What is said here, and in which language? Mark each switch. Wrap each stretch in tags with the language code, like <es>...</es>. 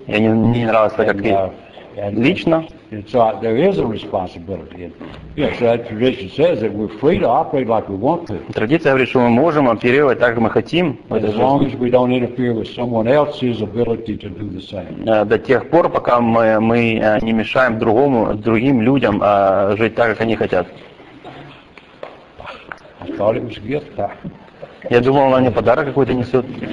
<ru>Я не нравилось так как лично.</ru> <en>And so there is a responsibility. And yes, that tradition says that we're free to operate like we want to.</en> <ru>Традиция говорит, что мы можем оперировать так, как мы хотим.</ru> <en>And as long as we don't interfere with someone else's ability to do the same.</en> <ru>До тех пор, пока мы не мешаем другим людям жить так, как они хотят.</ru> <en>I thought it was a gift.</en> <ru>Я думал, она мне подарок какой-то несет.</ru>